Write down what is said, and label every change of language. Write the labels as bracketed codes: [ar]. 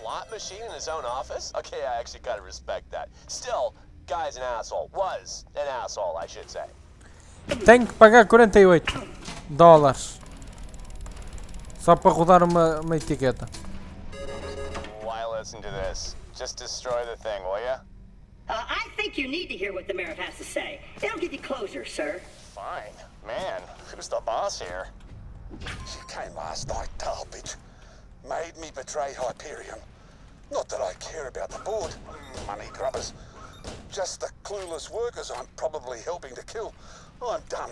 [en] Machine in his own office? Okay, I actually gotta respect that. Still, guy's an asshole. Was an asshole, I should say. [pt] Tenho que pagar 48 dólares. Só para rodar uma etiqueta. [en] Why listen to this? Just destroy the thing, will ya? I think you need to hear what the mayor has to say. It'll give you closure, sir. Fine. Man, who's the boss here? She came last night, tall bitch. Made me betray Hyperion. Not that I care about the board, money grubbers. Just the clueless workers I'm probably helping to kill. I'm done.